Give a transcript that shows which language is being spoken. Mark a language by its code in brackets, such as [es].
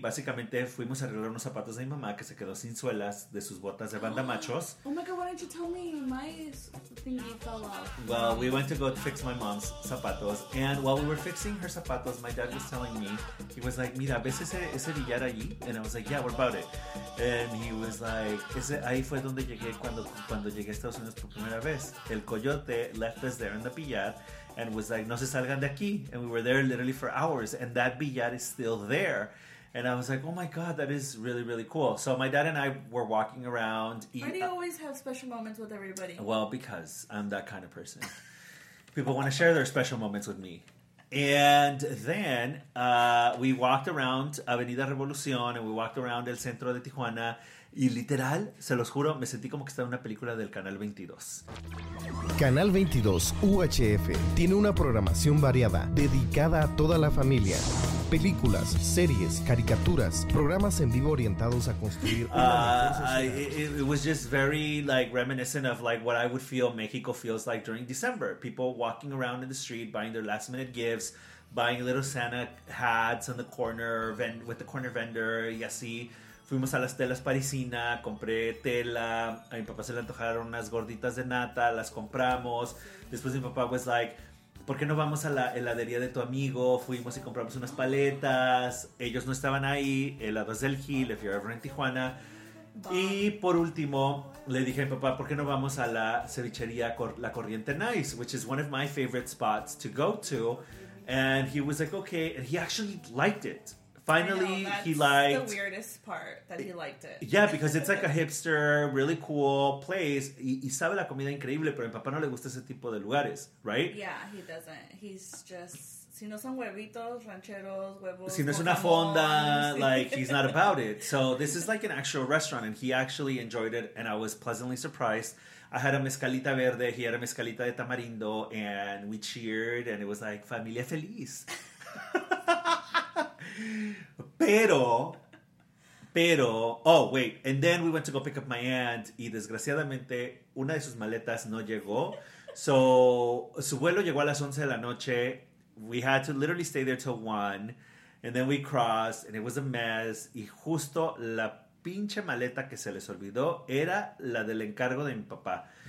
[es] Básicamente, fuimos a arreglar unos zapatos de mi mamá que se quedó sin suelas de sus botas de banda machos. [en] Oh my God, why didn't you tell me? My thingy fell off. Well, we went to go fix my mom's zapatos. And while we were fixing her zapatos, my dad was telling me, he was like, [es] mira, ¿ves ese billar allí? [en] And I was like, yeah, what about it? And he was like, [es] ahí fue donde llegué cuando llegué a Estados Unidos por primera vez. El coyote [en] left us there in the billar. And was like, [es] no se salgan de aquí. [en] And we were there literally for hours. And that billar is still there. And I was like, oh my God, that is really, really cool. So my dad and I were walking around. Why do you always have special moments with everybody? Well, because I'm that kind of person. People want to share their special moments with me. And then we walked around Avenida Revolución. And we walked around El Centro de Tijuana. [es] Y literal, se los juro, me sentí como que estaba en una película del Canal 22. Canal 22 UHF tiene una programación variada dedicada a toda la familia. Películas, series, caricaturas, programas en vivo orientados a construir una mejor sociedad. [en] It was just very like reminiscent of like what I would feel Mexico feels like during December. People walking around in the street buying their last minute gifts, buying little Santa hats on the corner with the corner vendor, [es] y así. Fuimos a las telas parisina, compré tela, a mi papá se le antojaron unas gorditas de nata, las compramos. Después mi papá [en] was like, [es] ¿por qué no vamos a la heladería de tu amigo? Fuimos y compramos unas paletas. Ellos no estaban ahí. Helados del Gil, [en] if you're ever in Tijuana. [es] Y por último, le dije a mi papá, ¿por qué no vamos a la cevichería La Corriente Nice? [en] Which is one of my favorite spots to go to. And he was like, okay. And he actually liked it. Finally, he liked... the weirdest part, that he liked it. Yeah, because it's like a hipster, really cool place. [es] Y sabe la comida increíble, pero a mi papá no le gusta ese tipo de lugares, [en] right? Yeah, he doesn't. He's just... [es] si no son huevitos, rancheros, huevos... si no es una fonda, [en] like, he's not about it. So this is like an actual restaurant, and he actually enjoyed it, and I was pleasantly surprised. I had a mezcalita verde, he had a mezcalita de tamarindo, and we cheered, and it was like, [es] familia feliz. Pero, [en] oh, wait. And then we went to go pick up my aunt, [es] y desgraciadamente, una de sus maletas no llegó. [en] So, [es] su vuelo llegó a las 11 de la noche. [en] We had to literally stay there till 1, and then we crossed, and it was a mess. [es] Y justo la pinche maleta que se les olvidó era la del encargo de mi papá.